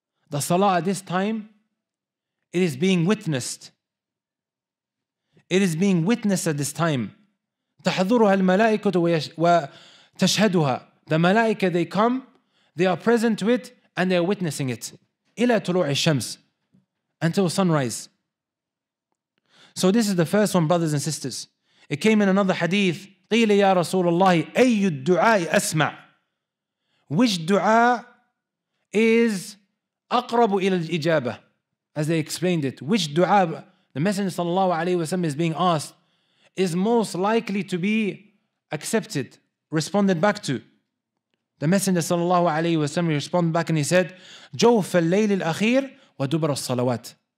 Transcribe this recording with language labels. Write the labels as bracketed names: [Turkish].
[English] The salah at this time, it is being witnessed. It is being witnessed at this time. [Arabic] تَحْذُورُهَا الْمَلَائِكَةُ وَتَشْهَدُهَا. [English] The malaika, they come, they are present to it, and they are witnessing it. [Arabic] إِلَى طُلُوعِ الشَّمْسِ, [English] until sunrise. So this is the first one, brothers and sisters. It came in another hadith, [Arabic] قِيلَ يَا رَسُولَ اللَّهِ أَيُّ الدُّعَاءِ أَسْمَعُ. [English] Which dua is [Arabic] أَقْرَبُ إِلَى الْإِجَابَةِ, [English] as they explained it. Which dua, the Messenger sallallahu alayhi wa sallam, is being asked, is most likely to be accepted, responded back to. The Messenger sallallahu alayhi wa sallam responded back and he said, [Arabic] جَوْفَ اللَّيْلِ الْأَخِيرِ وَدُبَرَ الصَّلَوَاتِ.